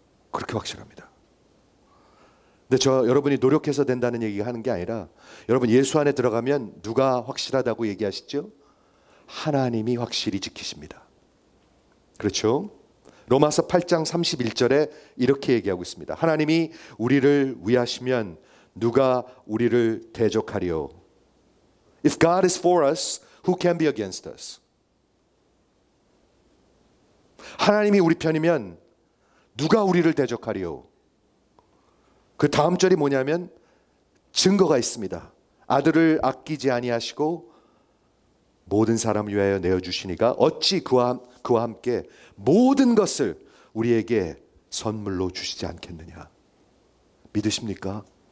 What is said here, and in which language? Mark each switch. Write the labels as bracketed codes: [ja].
[ko] 그렇게 확실합니다. 근데 저 여러분이 노력해서 된다는 얘기가 하는 게 아니라 여러분 예수 안에 들어가면 누가 확실하다고 얘기하시죠? 하나님이 확실히 지키십니다. 그렇죠? 로마서 8장 31절에 이렇게 얘기하고 있습니다. 하나님이 우리를 위하시면 누가 우리를 대적하리요? [en] If God is for us, who can be against us? [ko] 하나님이 우리 편이면 누가 우리를 대적하리요? 그 다음 절이 뭐냐면 증거가 있습니다. 아들을 아끼지 아니하시고 모든 사람을 위하여 내어주시니가 어찌 그와 함께 모든 것을 우리에게 선물로 주시지 않겠느냐. 믿으십니까?